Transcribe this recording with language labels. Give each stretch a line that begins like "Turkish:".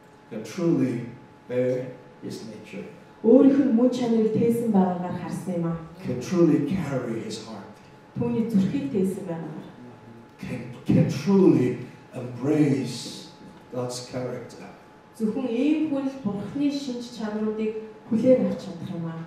English: that truly there is nature.
Mongolian: Өөрийнх нь мөн чанарыг тээсэн байгаагаар харсан юм аа.
English: Can truly carry his heart.
Mongolian: Түүний зүрхийг тээсэн байгаагаар.
English: Can truly embrace God's character.
Mongolian: Зөвхөн ийм хүн л Бурхны шинж чанаруудыг хүлээн авч чадах юм аа.